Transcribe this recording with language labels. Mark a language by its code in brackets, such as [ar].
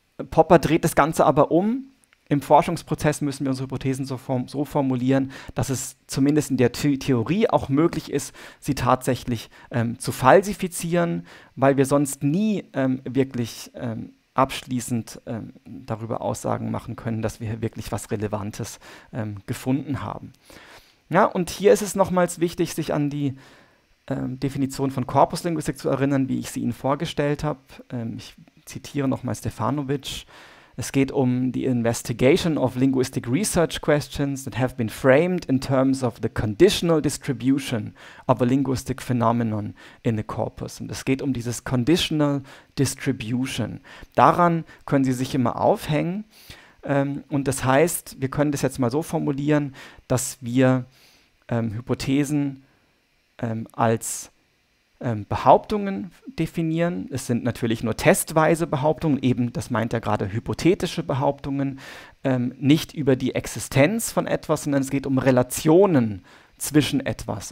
[de] Popper dreht das Ganze aber um. Im Forschungsprozess müssen wir unsere Hypothesen so formulieren, dass es zumindest in der Theorie auch möglich ist, sie tatsächlich zu falsifizieren, weil wir sonst nie wirklich abschließend darüber Aussagen machen können, dass wir hier wirklich was Relevantes gefunden haben. Ja, und hier ist es nochmals wichtig, sich an die Definition von Korpuslinguistik zu erinnern, wie ich sie Ihnen vorgestellt habe. Ich zitiere nochmal Stefanovic. Es geht um [en] the investigation of linguistic research questions that have been framed in terms of the conditional distribution of a linguistic phenomenon in the corpus. [de] Und es geht um dieses conditional distribution. Daran können Sie sich immer aufhängen. Und das heißt, wir können das jetzt mal so formulieren, dass wir Hypothesen als Behauptungen definieren. Es sind natürlich nur testweise Behauptungen, eben, das meint er gerade, hypothetische Behauptungen, nicht über die Existenz von etwas, sondern es geht um Relationen zwischen etwas.